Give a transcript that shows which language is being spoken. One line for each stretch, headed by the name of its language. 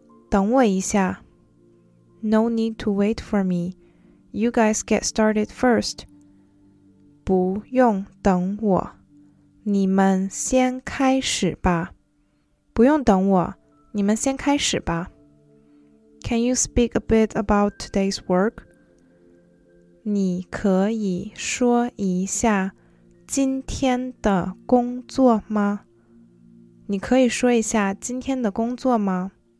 Chinese: 等我一下。
English: No need to wait for me. You guys get started first.
Chinese: 不用等我，你们先开始吧。不用等我，你们先开始吧。
English: Can you speak a bit about today's work?
Chinese: 你可以说一下今天的工作吗？你可以说一下今天的工作吗？